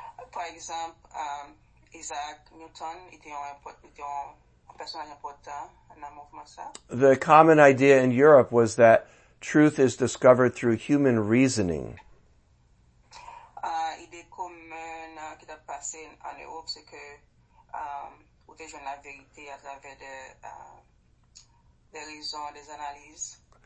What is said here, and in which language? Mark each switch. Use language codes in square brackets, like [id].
[en] For example, [fr] Isaac Newton était un personnage important dans le mouvement ça. [en] The common idea in Europe was that truth is discovered through human reasoning. [fr] L'idée commune qui a passé en Europe, c'est que on découvre la vérité à travers des raisons, des analyses.